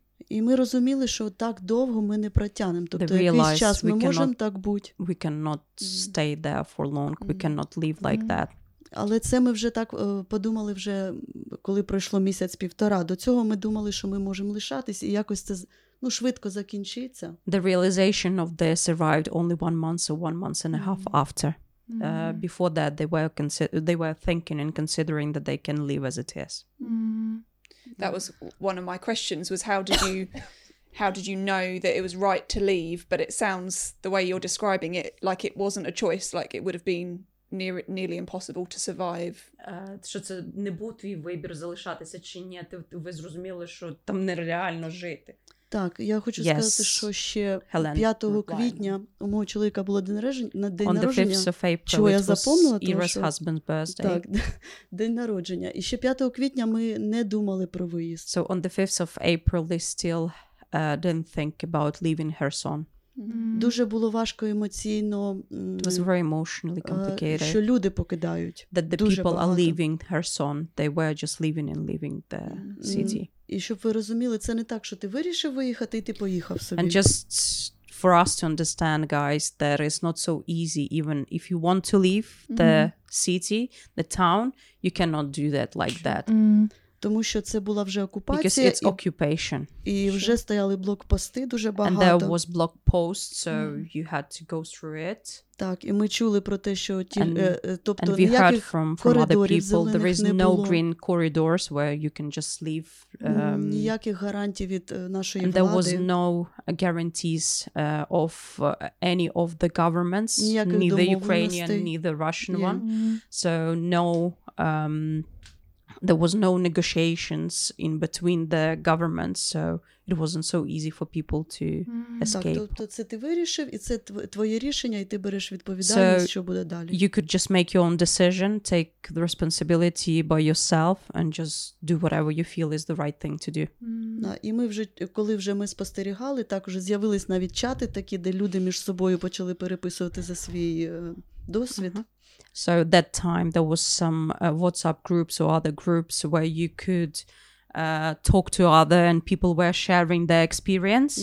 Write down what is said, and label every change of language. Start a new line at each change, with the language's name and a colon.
Ukrainian: І ми розуміли, що так довго ми не протягнемо, тобто якийсь час ми можемо так бути.
English: We cannot stay there for long. We cannot live like that.
Ukrainian: Але це ми вже так подумали вже, коли пройшло місяць-півтора. До цього ми думали, що ми можемо лишатись і якось це ну, швидко закінчиться.
English: The realization of this arrived only 1 month or 1 month and a half after. Before that, they were thinking and considering that they can live as it is. That was one of my questions, was how did you know that it was right to leave? But it sounds, the way you're describing it, like it wasn't a choice, like it would have been... Nearly impossible to survive.
Ukrainian: Що це не був твій вибір залишатися чи ні? Ви зрозуміли, що там нереально жити. Так, я хочу сказати, що ще 5 квітня у мого чоловіка було день народження. Чого я запомнила?
English: Ira's husband's birthday.
Ukrainian: Так, день народження. І ще 5 квітня ми не думали про виїзд.
English: So on the 5th of April they still didn't think about leaving her son.
Ukrainian: Дуже було важко емоційно.
English: It was very emotionally complicated.
Ukrainian: Що люди покидають.
English: That the
Ukrainian: дуже
English: people
Ukrainian: багато.
English: Are leaving her son. They were just leaving and leaving the city.
Ukrainian: І щоб ви розуміли, це не так, що ти вирішив виїхати і ти поїхав собі.
English: And just for us to understand, guys, that it's not so easy, even if you want to leave the city, the town, you cannot do that like that.
Ukrainian: Тому що це була вже окупація.
English: It's occupation.
Ukrainian: І вже стояли блокпости дуже багато.
English: And there was block posts, so you had to go through it.
Ukrainian: Так, і ми чули про те, що тобто ніяких коридорів зелених не було.
English: And we heard from other people, there is no
Ukrainian: було.
English: Green corridors where you can just leave.
Ukrainian: Ніяких гарантій від нашої влади.
English: And there was no guarantees of any of the governments, neither Ukrainian, neither Russian one. So no... There was no negotiations in between the governments, so it wasn't so easy for people to escape.
Ukrainian: Так, тобто це ти вирішив, і це твоє рішення, і ти береш відповідальність, що буде далі.
English: You could just make your own decision, take the responsibility by yourself, and just do whatever you feel is the right thing to do.
Ukrainian: І ми вже, коли вже ми спостерігали, так вже з'явились навіть чати такі, де люди між собою почали переписувати за свій досвід.
English: So at that time there was some WhatsApp groups or other groups where you could talk to other and people were sharing their experience.